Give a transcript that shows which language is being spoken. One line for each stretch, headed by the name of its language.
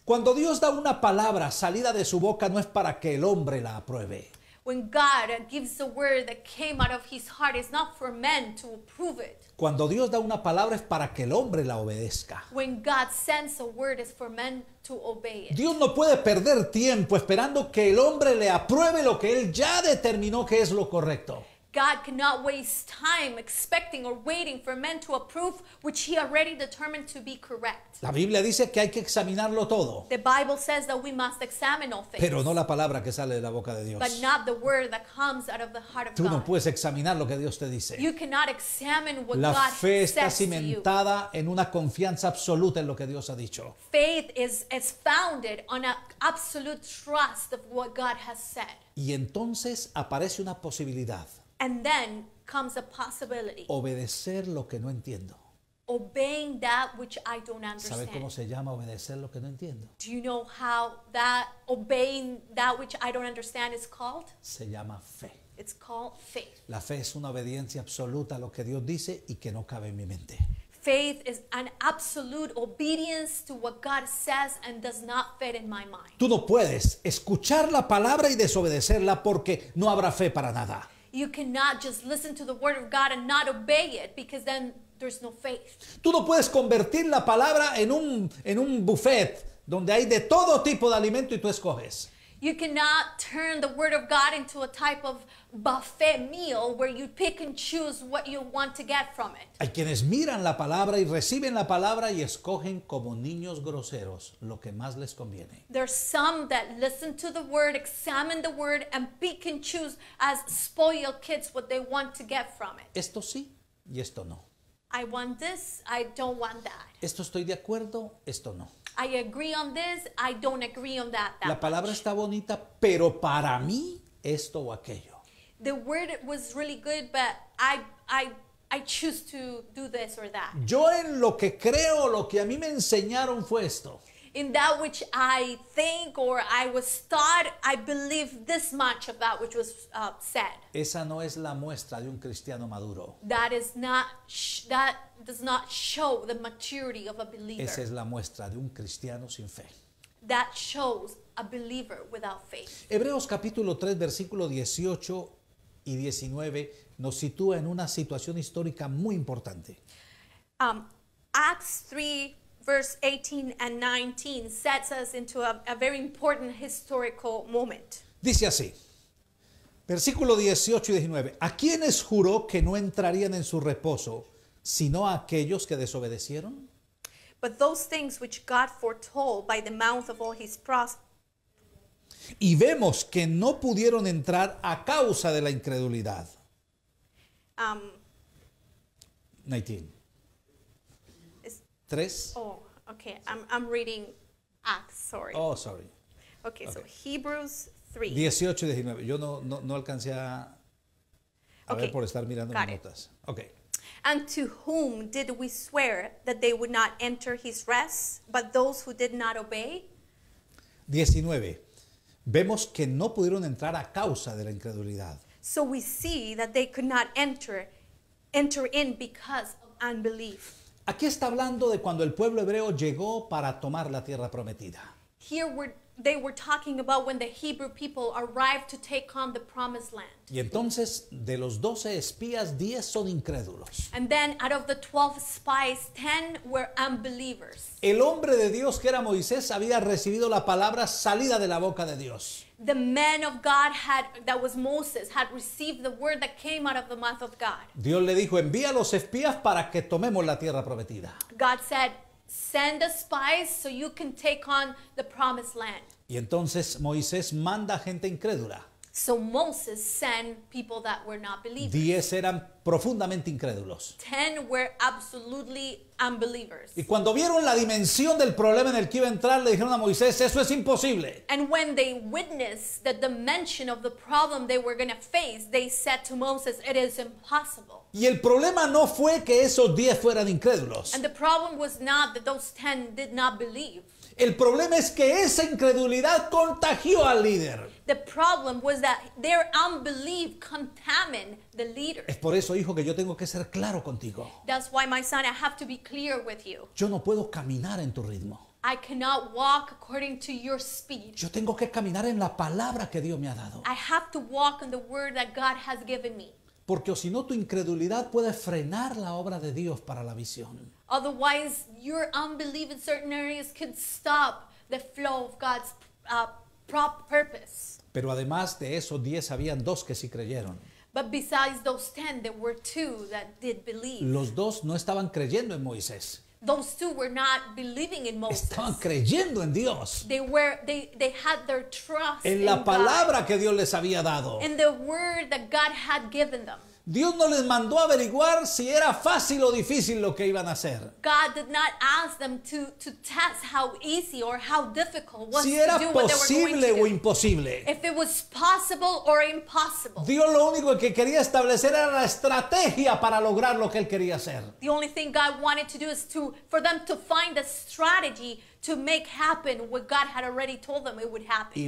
Spanish: Cuando Dios da una palabra salida de su boca, no es para que el hombre la apruebe.
English: When God gives the word that came out of his heart, it's not for men to approve it.
Spanish: Cuando Dios da una palabra, es para que el hombre la obedezca.
English: When God sends a word, it's for men to obey it.
Spanish: Dios no puede perder tiempo esperando que el hombre le apruebe lo que él ya determinó que es lo correcto.
English: God cannot waste time expecting or waiting for men to approve which he already determined to be correct.
Spanish: La Biblia dice que hay que examinarlo todo.
English: The Bible says that we must examine all things.
Spanish: Pero no la palabra que sale de la boca de Dios.
English: But not the word that comes out of the heart of
Spanish: Tú
English: God.
Spanish: No puedes examinar lo que Dios te dice.
English: You cannot examine what
Spanish: la
English: God says to you.
Spanish: La fe está cimentada en una confianza absoluta en lo que Dios ha dicho.
English: Faith is founded on an absolute trust of what God has said.
Spanish: Y entonces aparece una posibilidad.
English: And then comes a possibility.
Spanish: Obedecer lo que no entiendo.
English: Obeying that which I don't understand.
Spanish: ¿Sabe cómo se llama obedecer lo que no entiendo?
English: Do you know how that obeying that which I don't understand is called?
Spanish: Se llama fe.
English: It's called faith.
Spanish: La fe es una obediencia absoluta a lo que Dios dice y que no cabe en mi mente.
English: Faith is an absolute obedience to what God says and does not fit in my mind.
Spanish: Tú no puedes escuchar la palabra y desobedecerla porque no habrá fe para nada.
English: You cannot just listen to the word of God and not obey it because then there's no faith.
Spanish: Tú no puedes convertir la palabra en un buffet donde hay de todo tipo de alimento y tú escoges.
English: You cannot turn the word of God into a type of buffet meal where you pick and choose what you want to get from it.
Spanish: Hay quienes miran la palabra y reciben la palabra y escogen como niños groseros lo que más les conviene.
English: There are some that listen to the word, examine the word, and pick and choose as spoiled kids what they want to get from it.
Spanish: Esto sí y esto no.
English: I want this, I don't want that.
Spanish: Esto estoy de acuerdo, esto no.
English: I agree on this, I don't agree on that.
Spanish: La palabra está bonita, pero para mí esto o aquello.
English: The word was really good, but I choose to do this or that.
Spanish: Yo en lo que creo, lo que a mí me enseñaron fue esto.
English: In that which I think or I was taught, I believe this much of that which was said.
Spanish: Esa no es la muestra de un cristiano maduro.
English: That is not that does not show the maturity of a believer.
Spanish: Esa es la muestra de un cristiano sin fe.
English: That shows a believer without faith.
Spanish: Hebreos capítulo 3 versículo 18 y 19 nos sitúa en una situación histórica muy importante.
English: Acts 3 verse 18 and 19 sets us into a very important historical moment.
Spanish: Dice así. Versículo 18 y 19. ¿A quiénes juró que no entrarían en su reposo, sino a aquellos que desobedecieron?
English: But those things which God foretold by the mouth of all his prophets.
Spanish: Y vemos que no pudieron entrar a causa de la incredulidad. 3.
English: Oh, okay. I'm reading Acts, sorry. Oh, sorry. Okay, so Hebrews 3.
Spanish: 18 y 19. Yo no alcancé a ver por estar mirando mis notas.
English: Okay. And to whom did we swear that they would not enter his rest, but those who did not obey? 19.
Spanish: Vemos que no pudieron entrar a causa de la incredulidad.
English: So we see that they could not enter in because of unbelief.
Spanish: Aquí está hablando de cuando el pueblo hebreo llegó para tomar la tierra prometida.
English: Here they were talking about when the Hebrew people arrived to take on the promised land.
Spanish: Y entonces, de los 12 espías, 10 son incrédulos.
English: And then, out of the 12 spies, 10 were unbelievers.
Spanish: El hombre de Dios, que era Moisés, había recibido la palabra salida de la boca de Dios.
English: The man of God that was Moses, had received the word that came out of the mouth of God.
Spanish: Dios le dijo, envía a los espías para que tomemos la tierra prometida.
English: God said, send the spies so you can take on the promised land.
Spanish: Y entonces Moisés manda gente incrédula.
English: So Moses sent people that were not believers.
Spanish: 10 eran profundamente incrédulos.
English: 10 were absolutely unbelievers.
Spanish: Y cuando vieron la dimensión del problema en el que iba a entrar, le dijeron a Moisés, eso es imposible.
English: And when they witnessed the dimension of the problem they were going to face, they said to Moses, it is impossible.
Spanish: Y el problema no fue que esos 10 fueran incrédulos.
English: And the problem was not that those 10 did not believe.
Spanish: El problema es que esa incredulidad contagió al líder.
English: The problem was that their unbelief contaminated the leader.
Spanish: Es por eso, hijo, que yo tengo que ser claro contigo.
English: That's why, my son, I have to be clear with you.
Spanish: Yo no puedo caminar en tu ritmo.
English: I cannot walk according to your speed.
Spanish: Yo tengo que caminar en la palabra que Dios me ha dado.
English: I have to walk in the word that God has given me.
Spanish: Porque o si no, tu incredulidad puede frenar la obra de Dios para la visión.
English: Otherwise, your unbelief in certain areas could stop the flow of God's purpose.
Spanish: Pero además de esos 10, habían 2 que sí creyeron.
English: But besides those 10, there were 2 that did believe.
Spanish: Los 2 no estaban creyendo en Moisés.
English: Those 2 were not believing in Moses.
Spanish: Estaban creyendo en Dios.
English: They had their trust
Spanish: en la palabra que Dios les había dado.
English: In the word that God had given them.
Spanish: Dios no les mandó a averiguar si era fácil o difícil lo que iban a hacer.
English: God did not ask them to test how easy or how difficult was
Spanish: si era
English: to do
Spanish: posible
English: what they were going to do. If it was possible or impossible.
Spanish: Dios lo único que quería establecer era la estrategia para lograr lo que él quería hacer.
English: The only thing God wanted to do is for them to find a strategy to make happen what God had already told them it would happen.